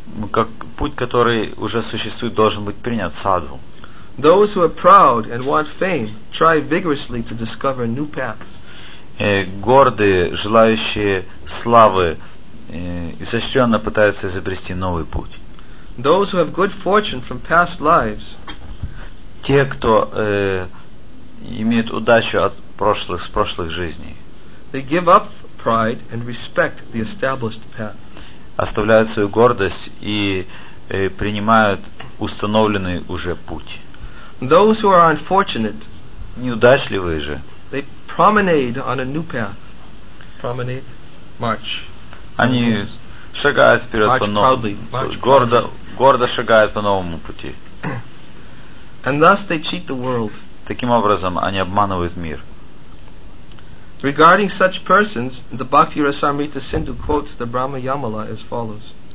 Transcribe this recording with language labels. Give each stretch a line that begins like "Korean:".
Russian: Как путь, который уже существует, должен быть принят садху.
English: Those who are proud and want fame try vigorously to discover new paths.
Russian: Гордые, желающие славы, изощренно пытаются изобрести новый путь.
English: Those who have good fortune from past lives.
Russian: Те, кто имеют удачу от прошлых, с прошлых жизней.
English: They give up pride and respect the established path.
Russian: Оставляют свою гордость и принимают установленный уже путь.
English: Those who are unfortunate.
Russian: Неудачливые же.
English: They promenade on a new path. Promenade, march.
Russian: Они шагают вперед
English: march
Russian: по новому.
English: Proudly,
Russian: гордо шагают по новому пути.
English: And thus they cheat the world.
Russian: Таким образом, они обманывают мир.
English: Regarding such persons, the Bhakti Rasamrita Sindhu quotes the Brahma Yamala as follows.